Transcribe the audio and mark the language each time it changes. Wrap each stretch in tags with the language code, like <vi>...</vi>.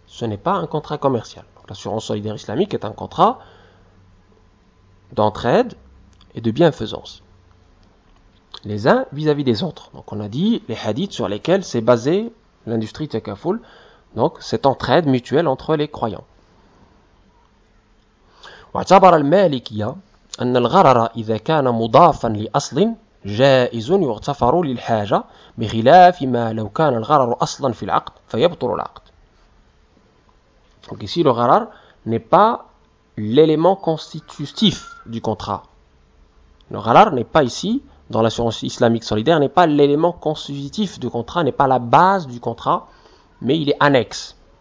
<fr>Ce n'est pas un contrat commercial. L'assurance solidaire islamique est un contrat d'entraide et de bienfaisance. Les uns vis-à-vis des autres. Donc on a dit les hadiths sur lesquels s'est basée l'industrie takaful, donc cette entraide mutuelle entre les croyants.</fr> <ar>واعتبر المالكية أن الغرر إذا كان مضافا لأصل جائز يغتفر للحاجة بخلاف ما لو كان الغرر أصلا في العقد فيبطل العقد.</ar> <fr>Donc ici, le gharar n'est pas l'élément constitutif du contrat. Le gharar n'est pas ici, dans l'assurance islamique solidaire, n'est pas l'élément constitutif du contrat, n'est pas la base du contrat, mais il est annexe.</fr>